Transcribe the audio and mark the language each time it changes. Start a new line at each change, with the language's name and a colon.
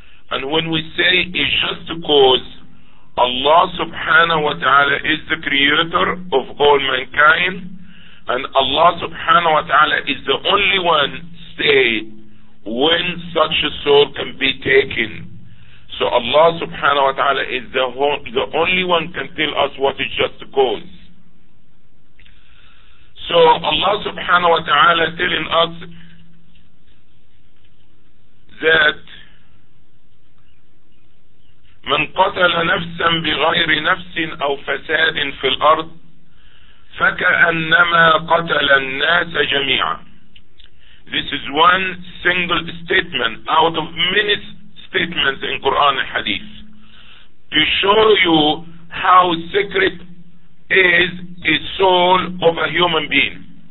English: And when we say a just cause, Allah subhanahu wa ta'ala is the creator of all mankind, and Allah subhanahu wa ta'ala is the only one state when such a soul can be taken. So Allah subhanahu wa ta'ala is the only one can tell us what is just cause. So Allah subhanahu wa ta'ala telling us that
Arabic: من قتل نفسا بغير نفس أو فساد في الأرض فكأنما قتل الناس جميعا.
English: This is one single statement out of many statements in Quran and Hadith to show you how sacred is the soul of a human being.